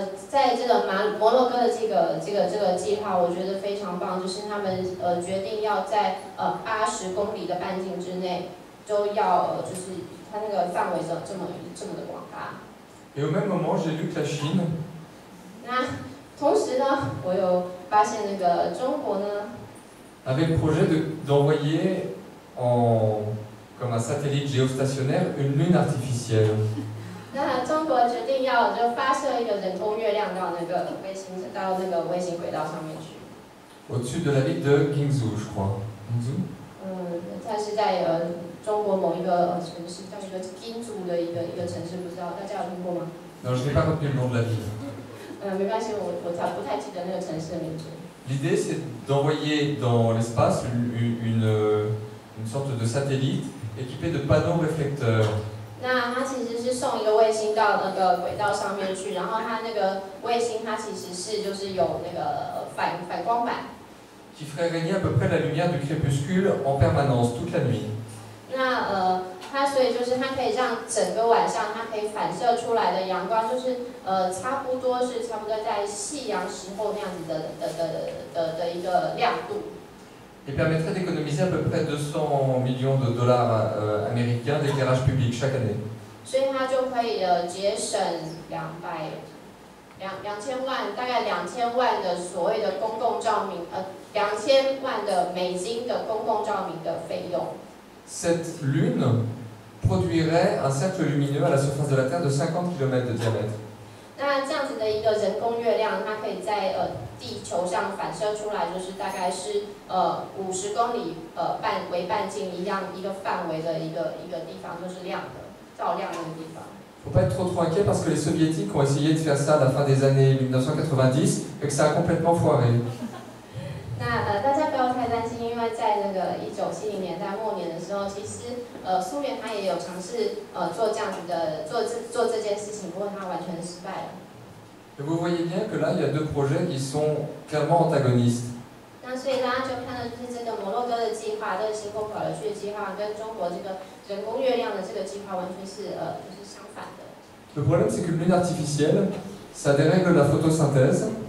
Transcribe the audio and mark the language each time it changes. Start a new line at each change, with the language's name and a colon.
Chinese: 在这个摩洛哥的这个计划，我觉得非常棒，就是他们决定要在80公里的半径之内，都要就是它那个范围这么的广大。
French: Et au même moment, j'ai lu que la Chine.
Chinese: 那同时呢，我有发现那个中国呢。
French: Avec le projet d'envoyer en comme un satellite géostationnaire une lune artificielle.
Chinese: 那中国决定要就发射一个人工月亮到那个卫星轨道上面去。
French: Au-dessus de la ville de Guangzhou, je crois. Guangzhou.
Chinese: 它是在中国某一个城市，叫一个 Guangzhou 的一个城市，不知道大家有听过吗
French: ？Non, je n'ai pas compris le nom de la ville.
Chinese: 没关系，我不太记得那个城市的名字。
French: L'idée, c'est d'envoyer dans l'espace une sorte de satellite équipé de panneaux réflecteurs.
Chinese: 那它其实是送一个卫星到那个轨道上面去，然后它那个卫星它其实是就是有那个反光板。
French: Qui ferait régner à peu près la lumière du crépuscule en permanence toute la nuit.
Chinese: 那它所以就是它可以让整个晚上它可以反射出来的阳光就是差不多在夕阳时候那样子的一个亮度。
French: Et permettrait d'économiser à peu près 200 millions de dollars américains d'éclairage public chaque année.
Chinese: 所以它就可以节省大概两千万的所谓的公共照明两千万的美金的公共照明的费用。
French: Cette lune produirait un cercle lumineux à la surface de la Terre de 50 km de diamètre.
Chinese: 那这样子的一个人工月亮，它可以在地球上反射出来，就是大概是50公里半径一样一个范围的一个地方，就是亮的照亮的地方。
French: faut pas être trop inquiet parce que les soviétiques ont essayé de faire ça à la fin des années 1990 et que ça a complètement foiré.
Chinese: 那大家不要太担心，因为在那个1970年代末年的时候，其实苏联他也有尝试做这样子的做这件事情，不过他完全失败了。
French: Et vous voyez bien que là, il y a deux projets qui sont clairement antagonistes.
Chinese: 那所以大家就看到就是这个摩洛哥的计划，这个星空跑去的计划，跟中国这个人工月亮的这个计划完全是就是相反的。
French: Le problème c'est que l'énergie artificielle, ça dérègle la photosynthèse.